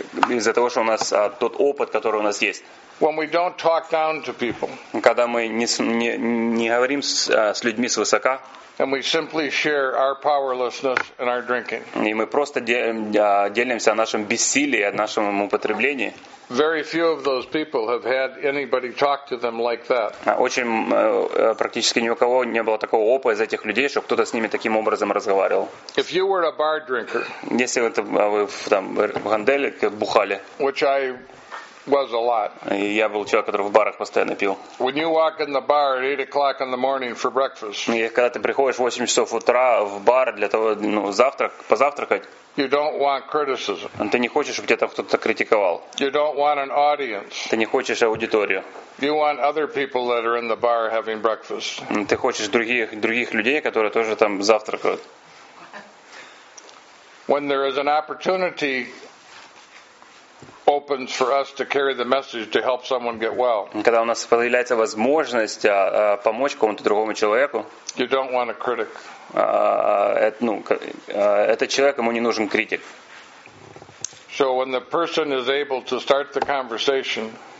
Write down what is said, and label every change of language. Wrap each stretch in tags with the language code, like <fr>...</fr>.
<ru>Из-за того, что у нас тот опыт, который у нас есть.</ru> <en>When we don't talk down to people.</en> <ru>Когда мы не говорим с людьми свысока.</ru> <en>And we simply share our powerlessness and our drinking.</en> <ru>И мы просто делимся о нашем бессилии, о нашем употреблении.</ru> <en>Very few of those people have had anybody talk to them like that.</en> <ru>Очень практически ни у кого не было такого опыта из этих людей, чтобы кто-то с ними таким образом разговаривал.</ru> <en>If you were a bar drinker.</en> <ru>Если вы там в ганделе бухали.</ru> <en>Which I was a lot.</en> <ru>Я был человек, который в барах постоянно пил.</ru> <en>When you walk in the bar at 8 o'clock in the morning for breakfast.</en> <ru>И когда ты приходишь в 8 часов утра в бар для того, позавтракать.</ru> <en>You don't want criticism.</en> <ru>Ты не хочешь, чтобы тебя там кто-то критиковал.</ru> <en>You don't want an audience.</en> <ru>Ты не хочешь аудиторию.</ru> <en>You want other people that are in the bar having breakfast.</en> <ru>Ты хочешь других людей, которые тоже там завтракают.</ru> <en>When there is an opportunity. Opens for us to carry the message to help someone get well.</en> <ru>Когда у нас появляется возможность помочь кому-то другому человеку.</ru> <en>You don't want a critic.</en> <ru>Этот человек, ему не нужен критик.</ru> <en>So when the person is able to start the conversation.</en>